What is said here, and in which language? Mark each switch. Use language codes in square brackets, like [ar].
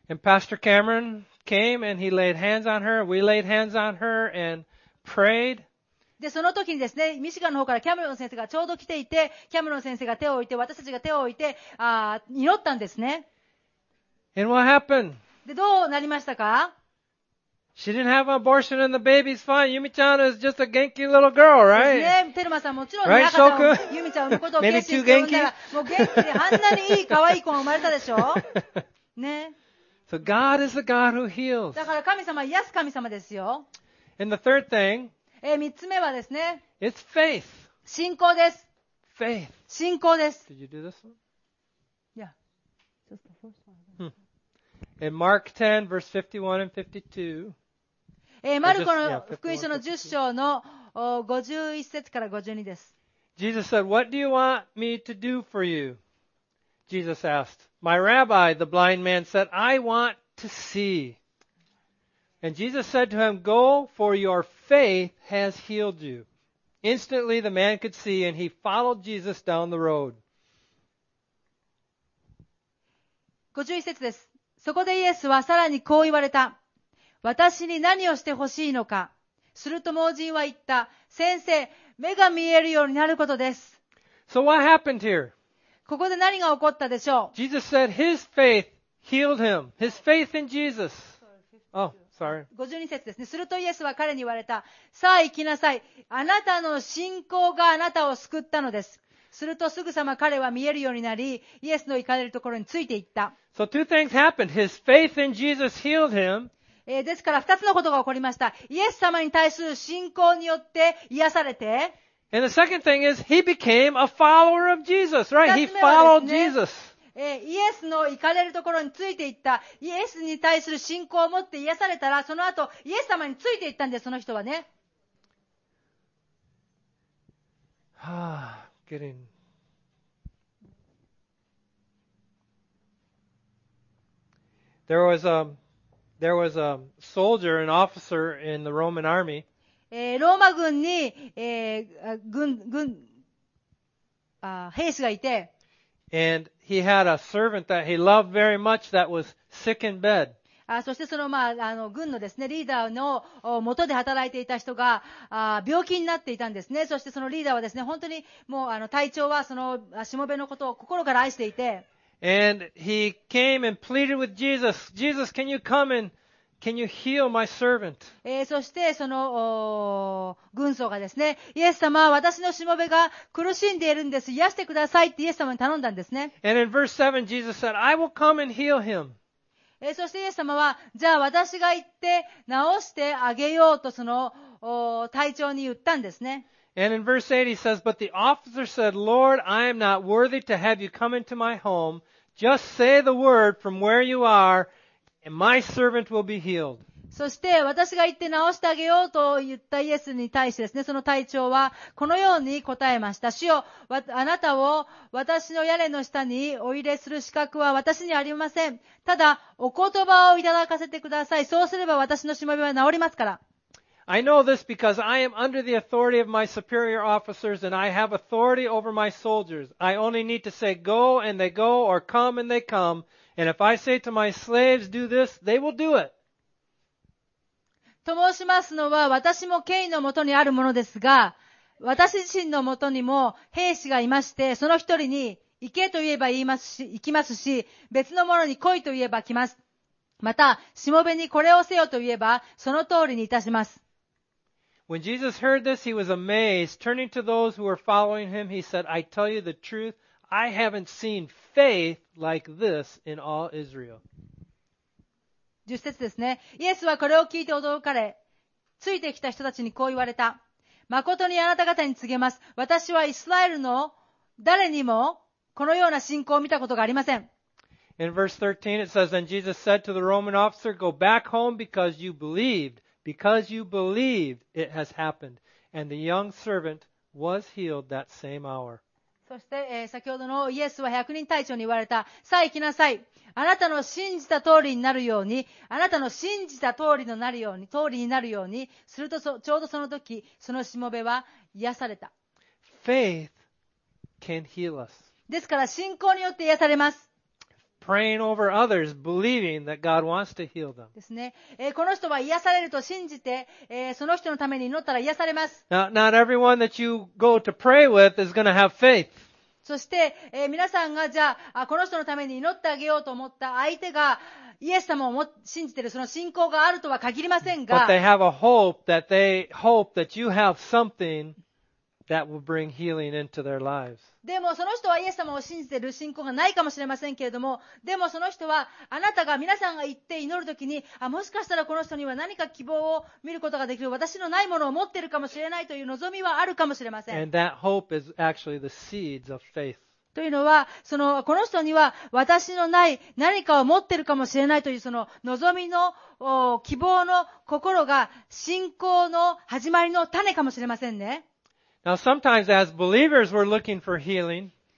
[en] And Pastor Cameron came and he laid hands on her. We laid hands on her and prayed. [ja] で、その時にですね、ミシガンの方からキャメロン先生がちょうど来ていて、キャメロン先生が手を置いて、私たちが手を置いて、祈ったんですね。 [en] And what happened? [ja] で、どうなりましたか? [en] She didn't have an abortion and the baby's fine. ユミちゃん is just a 元気 little girl, right? [ja] ですね、テルマさんもちろん、ね、赤ちゃんをユミちゃんを産むことを決心して産んだら、もう元気であんなにいい可愛い子が生まれたでしょ? ね。 [en] So God is the God who heals. [ja] だから神様は癒す神様ですよ。 [en] And the third thing, [ja] 三つ目はですね。 [en] It's faith. [ja] 信仰です。 [en] Faith. [ja] 信仰です。 [en] Did you do this one? Yeah. Just the first one. In Mark 10, verse 51 and 52. [ja] マルコの福音書の10章の51節から52です。 [en] Jesus said, What do you want me to do for you? Jesus asked, My rabbi, the blind man, said, I want to see. And Jesus said to him, Go, for your faith has healed you. Instantly the man could see, and he followed Jesus down the road. [ja] 51節です。そこでイエスはさらにこう言われた。私に何をしてほしいのか。すると盲人は言った。先生、目が見えるようになることです。 [en] So what happened here? [ja] ここで何が起こったでしょう? [en] Jesus said his faith healed him. His faith in Jesus. Oh. [ja] 52節ですね。するとイエスは彼に言われた。さあ行きなさい。あなたの信仰があなたを救ったのです。するとすぐさま彼は見えるようになり、イエスの行かれるところについて行った。 [en] So two things happened. His faith in Jesus healed him. [ja] ですから二つのことが起こりました。イエス様に対する信仰によって癒されて。 [en] And the second thing is he became a follower of Jesus, right? He followed Jesus. [ja] イエスの行かれるところについて行った。イエスに対する信仰を持って癒されたら、その後、イエス様について行ったんです、その人はね。はぁ、getting... [en] There was a soldier, an officer in the Roman army. [ja] ローマ軍に、兵士がいて、 [en] And he had a servant that he loved very much that was sick in bed. [ja] そしてその、まあ、軍のですね、リーダーの元で働いていた人が、病気になっていたんですね。そしてそのリーダーはですね、本当にもう、隊長はその、しもべのことを心から愛していて。 [en] And he came and pleaded with Jesus, Jesus, can you come and, can you heal my servant? [ja] そしてその、軍曹がですね、イエス様は私のしもべが苦しんでいるんです。癒してくださいってイエス様に頼んだんですね。 [en] And in verse 7, Jesus said, I will come and heal him. [ja] そしてイエス様は、じゃあ私が行って治してあげようとその、隊長に言ったんですね。 [en] And in verse 8, he says, But the officer said, Lord, I am not worthy to have you come into my home. Just say the word from where you are. And my servant will be healed. [ja] そして私が行って治してあげようと言ったイエスに対してですね、その隊長はこのように答えました。主よ、あなたを私の屋根の下にお入れする資格は私にありません。ただお言葉をいただかせてください。そうすれば私のしもべは治りますから。 [en] I know this because I am under the authority of my superior officers and I have authority over my soldiers. I only need to say go and they go or come and they come. And if I say to my slaves, do this, they will do it. [ja] と申しますのは、私も権威のもとにあるものですが、私自身のもとにも兵士がいまして、その一人に行けと言えば言いますし、行きますし、別の者に来いと言えば来ます。また、しもべにこれをせよと言えば、その通りにいたします。 [en] When Jesus heard this, he was amazed. Turning to those who were following him, he said, I tell you the truth. I haven't seen faith like this in all Israel. [ja] 十節ですね。イエスはこれを聞いて驚かれ、ついてきた人たちにこう言われた。誠にあなた方に告げます。私はイスラエルの誰にもこのような信仰を見たことがありません。 [en] In verse 13 it says, Then Jesus said to the Roman officer, Go back home because you believed. Because you believed, it has happened. And the young servant was healed that same hour. [ja] そして、先ほどのイエスは百人隊長に言われた。さあ行きなさい。あなたの信じた通りになるように、あなたの信じた通りのなるように、通りになるように、するとちょうどその時、そのしもべは癒された。 [en] Faith can heal us. [ja] ですから信仰によって癒されます。 [en] Praying over others, believing that God wants to heal them. [ja] ですね。この人は癒されると信じて、その人のために祈ったら癒されます。 [en] Now, not everyone that you go to pray with is going to have faith. [ja] そして、皆さんがじゃあこの人のために祈ってあげようと思った相手がイエス様を信じているその信仰があるとは限りませんが。 [en] But they have a hope that they hope that you have something. That will bring healing into their lives. [ja] でもその人はイエス様を信じている信仰がないかもしれませんけれども、でもその人はあなたが皆さんが言って祈るときに、あ、もしかしたらこの人には何か希望を見ることができる、私のないものを持っているかもしれないという望みはあるかもしれません。 [en] And that hope is actually the seeds of faith. [ja] というのは、その、この人には私のない何かを持っているかもしれないというその望みの希望の心が信仰の始まりの種かもしれませんね。 [en] Now, sometimes as believers, we're looking for healing.